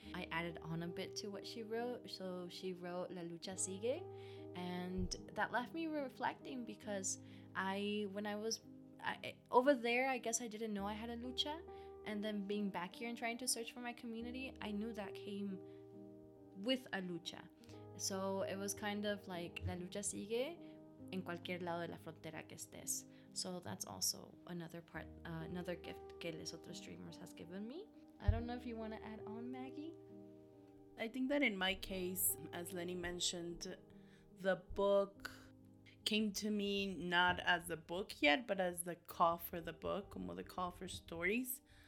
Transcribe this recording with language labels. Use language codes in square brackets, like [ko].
[en] I added on a bit to what she wrote. So she wrote, [es] "La lucha sigue." [en] And that left me reflecting because when I was over there, I guess I didn't know I had a lucha. And then being back here and trying to search for my community, I knew that came with a lucha. So it was kind of like, [es] la lucha sigue en cualquier lado de la frontera que estés. [en] So that's also another part, another gift que Les Otros Streamers has given me. I don't know if you want to add on, Maggie? I think that in my case, as Lenny mentioned, the book came to me not as a book yet, but as the call for the book, como the call for stories.